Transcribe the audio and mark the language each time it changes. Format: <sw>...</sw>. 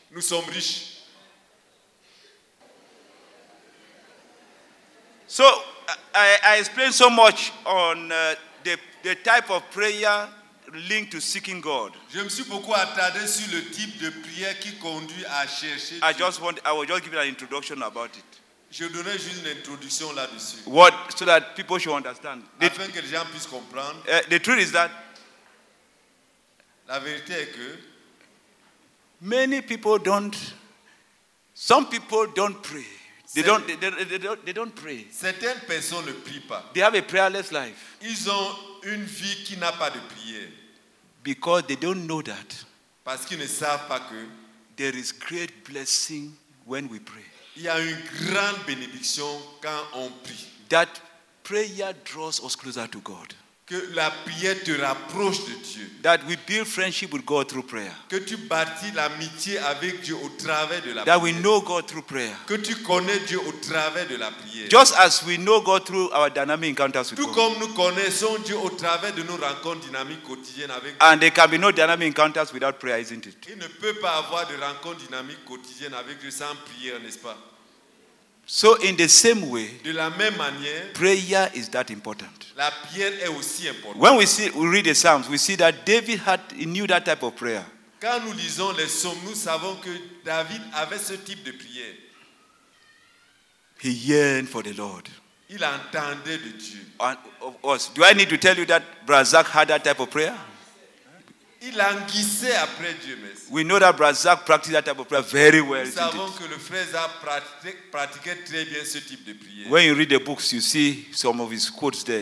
<fr>Nous sommes riches.</fr> <en>So I explained so much on the type of prayer linked to seeking God.</en> <fr>Je me suis beaucoup attardé sur le type de prière qui conduit à chercher Dieu.</fr> <en>I will just give an introduction about it.</en> <fr>Je donnerai juste une introduction là-dessus.</fr> <en>What, so that people should understand.</en> <fr>Afin que les gens puissent comprendre.</fr> <en>The truth is that.</en> <fr>La vérité est que.</fr> <en>Many people don't. Some people don't pray. They don't pray.</en> <fr>Certaines personnes ne prient pas.</fr> <en>They have a prayerless life.</en> <fr>Ils ont une vie qui n'a pas de prière.</fr> <en>Because they don't know that.</en> <fr>Parce qu'ils ne savent pas que.</fr> <en>There is great blessing when we pray.</en> <fr>Il y a une grande bénédiction quand on prie.</fr> <en>That prayer draws us closer to God.</en> <fr>Que la prière te rapproche de Dieu.</fr> <en>That we build friendship with God through prayer.</en> <fr>Que tu bâtis l'amitié avec Dieu au travers de la</fr> <en>that That we know God through prayer.</en> <fr>Que tu connais Dieu au travers de la prière.</fr> <en>Just as we know God through our dynamic encounters with</en> <fr>tout</fr> <en>God.</en> <fr>Tout comme nous connaissons Dieu au travers de nos rencontres dynamiques quotidiennes avec Dieu.</fr> <en>And there can be no dynamic encounters without prayer, isn't it?</en> <fr>Il ne peut pas avoir de rencontres dynamiques quotidiennes avec Dieu sans prière, n'est-ce pas?</fr> <en>So in the same way,</en> <fr>de la même manière,</fr> <en>prayer is that important.</en> <fr>La prière est aussi importante.</fr> <en>When we read the Psalms, we see that David he knew that type of prayer.</en> <fr>Quand nous lisons les Psaumes, nous savons que David avait ce type de prière.</fr> <en>He yearned for the Lord.</en> <fr>Il entendait de Dieu.</fr> <en>And of course, do I need to tell you that Brazak had that type of prayer?</en> <fr>Il languissait après Dieu, merci.</fr> <en>We know that Brazak practiced that type of prayer very well.</en> <fr>Nous savons que le frère Zab pratiquait très bien ce type de prière.</fr> <en>When you read the books, you see some of his quotes there.</en>